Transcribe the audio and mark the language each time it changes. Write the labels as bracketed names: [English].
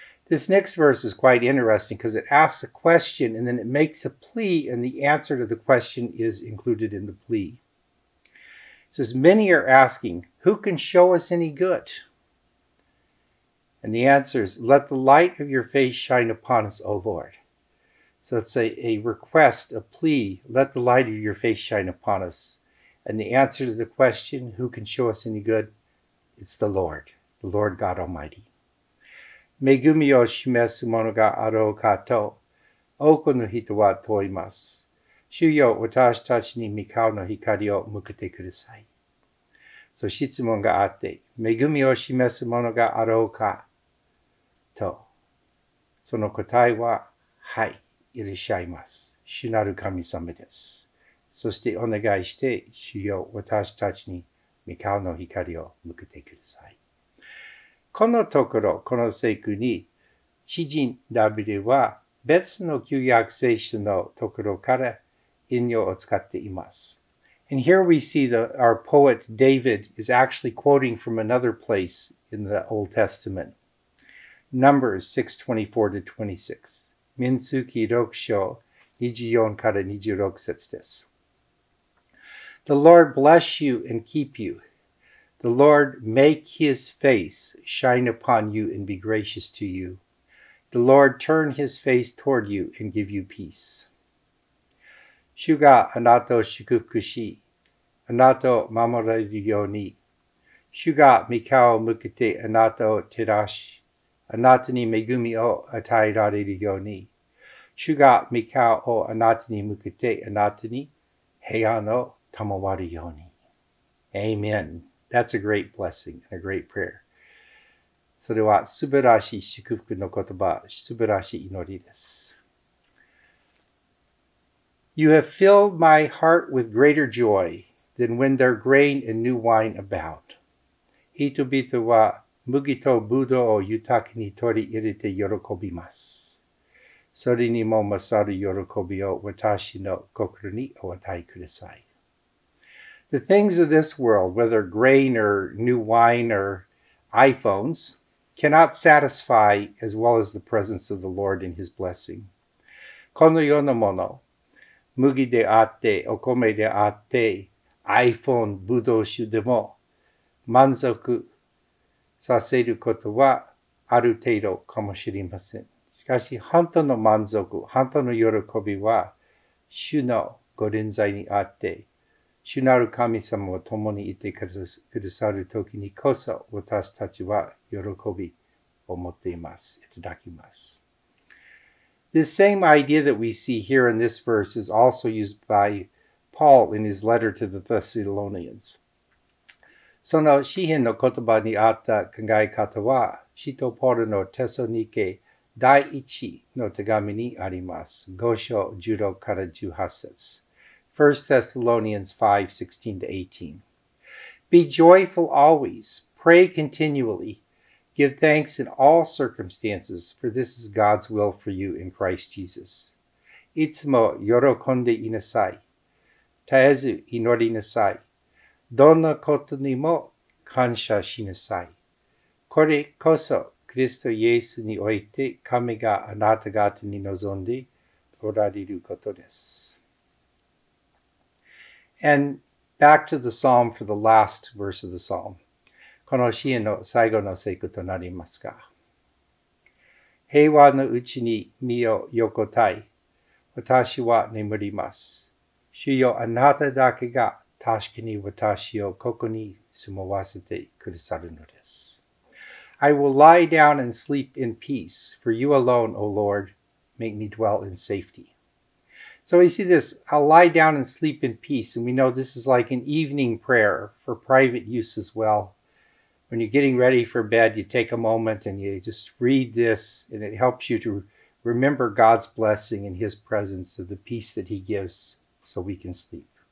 [English] This next verse is quite interesting because it asks a question and then it makes a plea and the answer to the question is included in the plea. It says, many are asking, who can show us any good? And the answer is, let the light of your face shine upon us, O Lord. So it's a request, a plea, let the light of your face shine upon us. And the answer to the question, who can show us any good? It's the Lord God Almighty. [Japanese] 恵みを示すものがあろうかと、多くの人は問います。主よ、私たちに御顔の光を向けてください。そう、質問があって、恵みを示すものがあろうかと、その答えは、はい、いらっしゃいます。主なる神様です。そして、お願いして、主よ、私たちに御顔の光を向けてください。このところ、この聖句に、詩人ダビデは別の旧約聖書のところから引用を使っています。 [English] And here we see that our poet David is actually quoting from another place in the Old Testament. Numbers 6:24-26. [Japanese] 民数記6章24-26節です。 [English] The Lord bless you and keep you. The Lord make his face shine upon you and be gracious to you. The Lord turn his face toward you and give you peace. [Japanese] 主があなたを祝福し、あなたを守られるように。主が御顔を向けてあなたを照らし、あなたに恵みを与えられるように。主が御顔をあなたに向けてあなたに平安を賜るように。 [English] Amen. That's a great blessing and a great prayer. [Japanese] それは素晴らしい祝福の言葉、素晴らしい祈りです。 [English] You have filled my heart with greater joy than when their grain and new wine abound. [Japanese] 人々は麦とブドウを豊かに取り入れて喜びます。それにも勝る喜びを私の心にお与えください。 [English] The things of this world, whether grain or new wine or iPhones, cannot satisfy as well as the presence of the Lord and His blessing. [Japanese] このようなもの、麦であって、お米であって、 iPhone、ブドウ酒でも満足させることはある程度かもしれません。しかし、本当の満足、本当の喜びは、主のご臨在にあって、主なる神様を共にいてくださるときにこそ、私たちは喜びを持っています。いただきます。 [English] The same idea that we see here in this verse is also used by Paul in his letter to the Thessalonians. [Japanese] その詩編の言葉にあった考え方は、使徒ポールのテソニケ第一の手紙にあります。 5章16から18節。1 Thessalonians [English] 5:16-18. Be joyful always, pray continually, give thanks in all circumstances, for this is God's will for you in Christ Jesus. [Japanese] いつも喜んでいなさい。絶えず祈りなさい。どんなことにも感謝しなさい。これこそ、キリストイエスにおいて、神があなた方に望んでおられることです。 [English] And back to the psalm for the last verse of the psalm. [Japanese] この詩編の最後の聖句となりますか。平和のうちに身を横たい。私は眠ります。主よ、あなただけが確かに私をここに住まわせてくださるのです。 [English] I will lie down and sleep in peace, for you alone, O Lord, make me dwell in safety. So we see this, I'll lie down and sleep in peace, and we know this is like an evening prayer for private use as well. When you're getting ready for bed, you take a moment and you just read this, and it helps you to remember God's blessing and His presence and the peace that He gives so we can sleep.